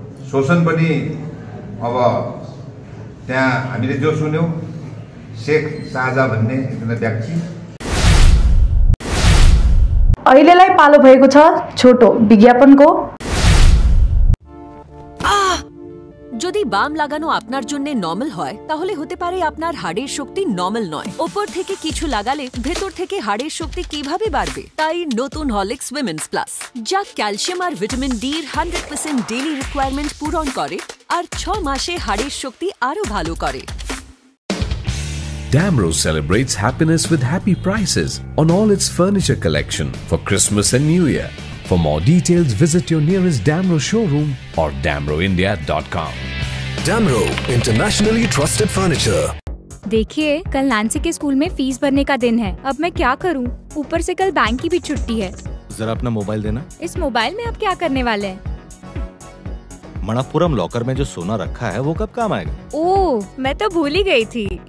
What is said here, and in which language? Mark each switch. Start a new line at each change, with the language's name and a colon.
Nepali: शोषण पनि अब त्यहाँ हामीले जो सुन्यौँ शेख शाहजा भन्ने एकजना व्यक्ति अहिलेलाई पालो भएको छ छोटो विज्ञापनको।
Bangla: যদি বাম লাগানো আপনার জন্য নরমাল হয় তাহলে হতে পারে আপনার হাড়ের শক্তি নরমাল নয়। উপর থেকে কিছু লাগালে ভেতর থেকে হাড়ের শক্তি কিভাবে বাড়বে? তাই নতুন হলিক্স উইমেন্স প্লাস, যা ক্যালসিয়াম আর ভিটামিন ডি 100% ডেইলি রিকোয়ারমেন্ট পূরণ করে আর 6 মাসে হাড়ের শক্তি আরো ভালো করে।
English: Damrose celebrates happiness with happy prices on all its furniture collection for Christmas and New Year. For more details, visit your nearest Damrose showroom or damroindia.com. Damrose, internationally trusted furniture.
Hindi: देखिए, कल Nancy के school में fees भरने का दिन है। अब मैं क्या करूं? ऊपर से कल बैंक की भी छुट्टी है। जरा अपना मोबाइल देना। इस मोबाइल में आप क्या करने वाले हैं? मणापुरम लॉकर में जो सोना रखा है वो कब काम आएगा? ओह, मैं तो भूल ही गई थी।